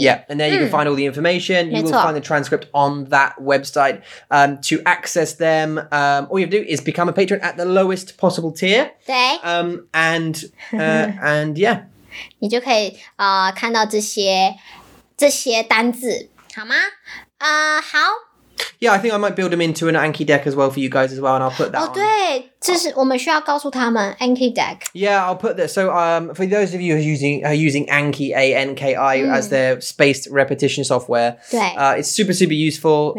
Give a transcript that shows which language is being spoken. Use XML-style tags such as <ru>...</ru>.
<en>Yeah, and there you can find all the information. You will find the transcript on that website. To access them, all you have to do is become a patron at the lowest possible tier.</en> <zh>对。</zh> <en>and yeah.</en> <zh>你就可以看到这些单字，好吗？好。</zh> <en>Yeah, I think I might build them into an Anki deck as well for you guys as well, and I'll put that</en> <zh>on. 对，这是我们需要告诉他们 Anki deck.</zh> <en>Yeah, I'll put that. So, for those of you who are using Anki, A-N-K-I, as their spaced repetition software, it's super, super useful.</en>